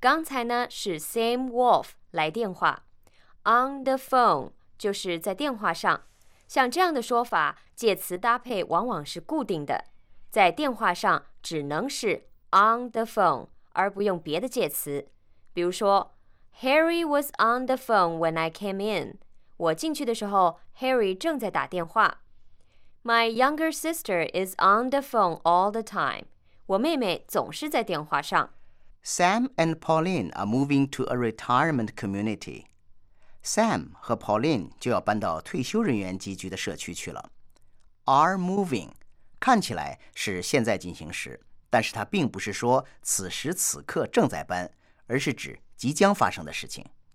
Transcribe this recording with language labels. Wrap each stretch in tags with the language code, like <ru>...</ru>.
<zh>刚才呢是 Sam Wolf 来电话 ，on the phone 就是在电话上。像这样的说法，介词搭配往往是固定的，在电话上只能是 on the phone， 而不用别的介词。比如说</zh> <en>，Harry was on the phone when I came in。</en> <zh>我进去的时候 ，Harry 正在打电话。</zh> <en>My younger sister is on the phone all the time。</en> <zh>我妹妹总是在电话上。</zh> <en>Sam and Pauline are moving to a retirement community.</en> <zh>Sam 和 Pauline 就要搬到退休人员集聚的社区去了。 Are moving 看起来是现在进行时，但是它并不是说此时此刻正在搬，而是指即将发生的事情。</zh>